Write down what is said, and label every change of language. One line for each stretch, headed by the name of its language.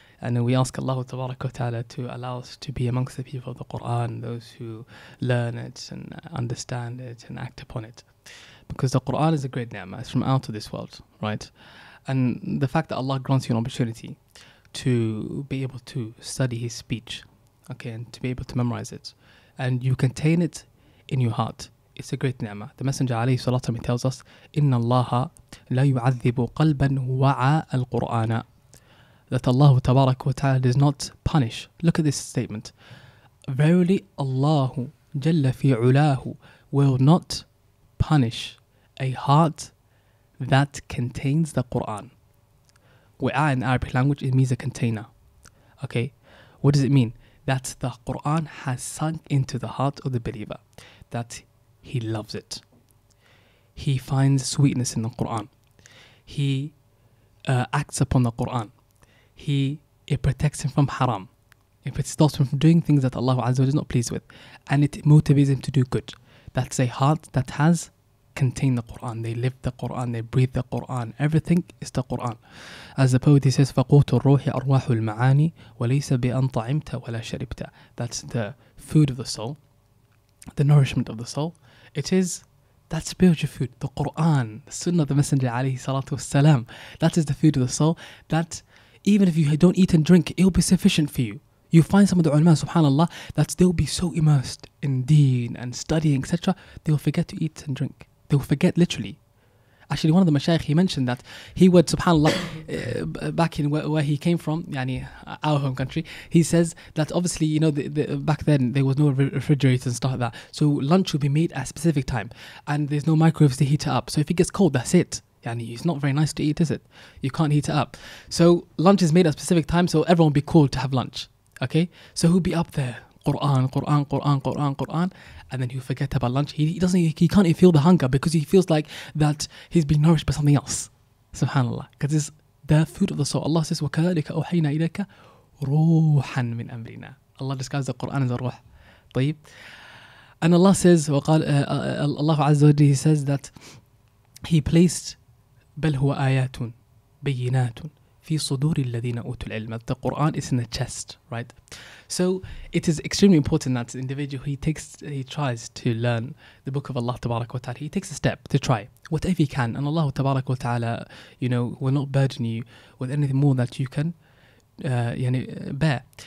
English: And we ask Allah تبارك وتعالى to allow us to be amongst the people of the Quran, those who learn it and understand it and act upon it. Because the Quran is a great ni'mah, it's from out of this world, right? And the fact that Allah grants you an opportunity to be able to study His speech, okay, and to be able to memorize it, and you contain it in your heart, it's a great ni'mah. The Messenger عليه الصلاة والسلام tells us, إِنَّ اللَّهَ لَا يُعَذِّبُ قَلْبًا وَعَى الْقُرْآنَ, that Allah تبارك وتعالى does not punish. Look at this statement. Verily, Allah جل في علاه will not punish a heart that contains the Qur'an. Wi'a in Arabic language, it means a container. Okay, what does it mean? That the Quran has sunk into the heart of the believer, that he loves it. He finds sweetness in the Quran. He acts upon the Quran. It protects him from haram. If it stops him from doing things that Allah Azza wa Jalla is not pleased with, and it motivates him to do good. That's a heart that has contained the Quran. They live the Quran, they breathe the Quran. Everything is the Quran.
Arabic: As the poet says, فَقُوتُ الرُّوحِ أَرْوَاحُ الْمَعَانِي وَلَيْسَ بِأَنْ طَعِمْتَ وَلَا شَرِبْتَ.
English: That's the food of the soul, the nourishment of the soul. It is that spiritual food, the Quran, the Sunnah of the Messenger alayhi salatu wasalam. That is the food of the soul, that even if you don't eat and drink, it will be sufficient for you. You find some of the ulama, subhanAllah, that they'll be so immersed in deen and studying, etc., they'll forget to eat and drink. They'll forget, literally. Actually, one of the mashaykh, he mentioned that he would, subhanAllah, back in where he came from, yani our home country, he says that obviously, you know, back then there was no refrigerator and stuff like that. So lunch would be made at a specific time and there's no microwaves to heat it up. So if it gets cold, that's it. Yani, it's not very nice to eat, is it? You can't heat it up. So lunch is made at a specific time, so everyone would be called to have lunch. Okay, so who'll be up there? Quran, and then he'll forget about lunch. He can't even feel the hunger because he feels like that he's being nourished by something else. Subhanallah, because it's the food of the soul.
Arabic: Allah says, وَكَذَلِكَ أُوحَيْنَا إِلَيْكَ رُوحًا مِنْ أَمْرِنَا.
English: Allah disguises the Quran as a ruh.
Arabic: طيب.
English: And Allah says, Allah Azza wa Jalla, he says that he placed بَلْ هُوَ آيَاتٌ بَيِّنَاتٌ في صدور الذين أوتوا العلم. The Quran is in the chest, right? So it is extremely important that the individual he tries to learn the book of Allah Tabarak wa Ta'ala. He takes a step to try whatever he can, and Allah Tabarak wa Ta'ala, you know, will not burden you with anything more that you can bear.